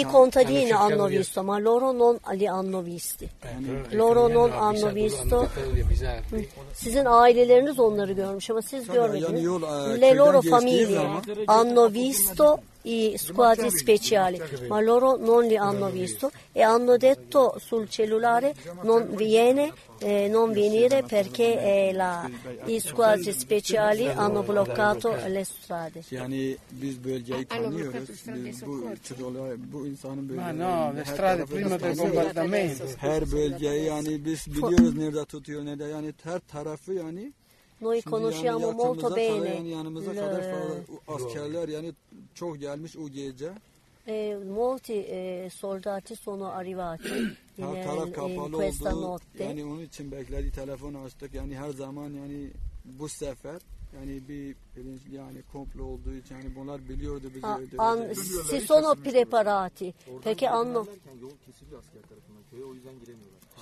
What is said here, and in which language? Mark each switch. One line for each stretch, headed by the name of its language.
Italian: i contadini hanno visto ma loro non li hanno visti. Loro non hanno visto.
Turkish: Sizin aileleriniz onları görmüş ama siz görmediniz.
Italian: Le loro famiglie hanno visto i squadri speciali ma loro non li hanno visto e hanno detto sul cellulare non viene non venire perché i squadri speciali hanno bloccato le strade.
Turkish: Yani biz bölgeyi tanıyoruz. Bu insanın bölgeyi.
Italian: No, le strade prima del bombardamento.
Turkish: Her bölgeyi yani biz biliyoruz nerede tutuyor nerede yani her tarafı yani.
Italian: Noi conosciamo molto bene.
Turkish: Yanımıza kadar askerler yani çok gelmiş o gece.
Italian: Molti soldati sono arrivati.
Turkish: Taraf kapalı oldu. Yani onun için bekledi. Telefon açtık. Yani her zaman yani bu sefer yani bir bilinçli yani komplo olduğu için yani bunlar biliyordu bizi.
Italian: Si sono preparati. Peki anlo.
Turkish: Yol kesiliyor asker tarafından. Köye o yüzden giremiyorlar.